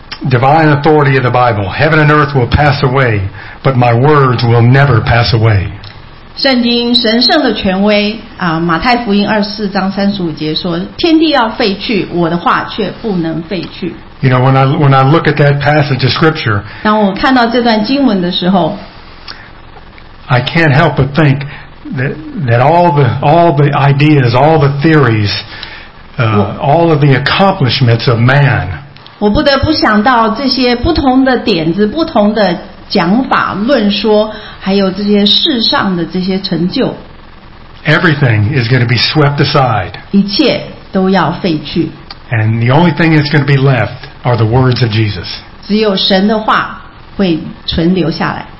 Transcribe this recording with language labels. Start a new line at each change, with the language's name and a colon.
English: Divine authority of the Bible. Heaven and earth will pass away, but my words will never pass away.
Chinese: 圣经神圣的权威啊，马太福音24:35说，天地要废去，我的话却不能废去。
English: You know, when I look at that passage of scripture,
Chinese: 当我看到这段经文的时候，
English: I can't help but think that all the ideas, all the theories, all of the accomplishments of man.
Chinese: 我不得不想到这些不同的点子，不同的讲法论说，还有这些世上的这些成就，
English: everything is going to be swept aside.
Chinese: 一切都要废去。
English: And the only thing that's going to be left are the words of Jesus.
Chinese: 只有神的话会存留下来。